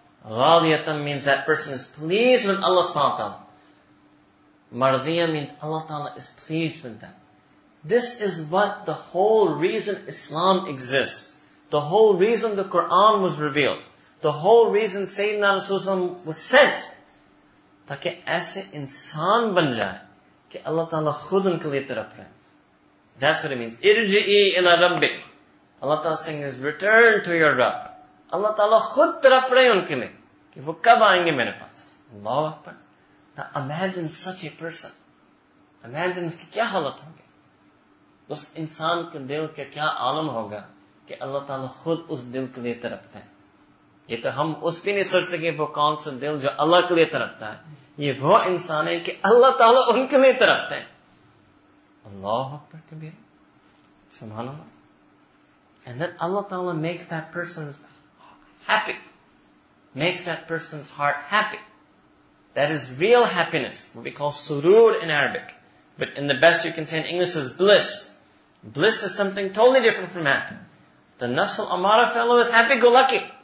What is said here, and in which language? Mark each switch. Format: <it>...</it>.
<en>Radiyatan means that person is pleased with Allah subhanahu wa ta'ala. Mardiyya means Allah ta'ala is pleased with them. This is what the whole reason Islam exists. The whole reason the Quran was revealed. The whole reason Sayyidina Rasulullah was sent.</en> <ur>تاکہ ایسے انسان بن جائے کہ اللہ تعالیٰ خود ان کے لیے تڑپ رہے۔</ur> <en>That's what it means.</en> <ar>Irji'i ila rabbi.</ar> <en>Allah Ta'ala saying is, return to your Rabb.</en> <ur>اللہ تعالیٰ خود تڑپ رہے ان کے لیے۔ کہ وہ کب آئیں گے میرے پاس۔</ur> <ar>Allahu Akbar.</ar> <en>Now imagine such a person. Imagine</en> <ur>اس کی کیا حالت ہونگے۔ اس انسان کے دل کا کیا عالم ہوگا کہ اللہ تعالیٰ خود اس دل کے لیے تڑپتا ہے۔ یہ تو ہم اس بھی نہیں سوچ سکے وہ کون سا دل جو اللہ کے لیے تڑپتا ہے۔ یہ وہ انسان ہے کہ اللہ تعالیٰ ان کے لیے تڑپتا ہے۔</ur> <ar>Allah Akbar kabir. Subhanallah.</ar> <en>And then Allah Ta'ala makes that person happy. Makes that person's heart happy. That is real happiness. What we call surur in Arabic. But in the best you can say in English is bliss. Bliss is something totally different from happy. The nasl amara fellow is happy-go-lucky.</en>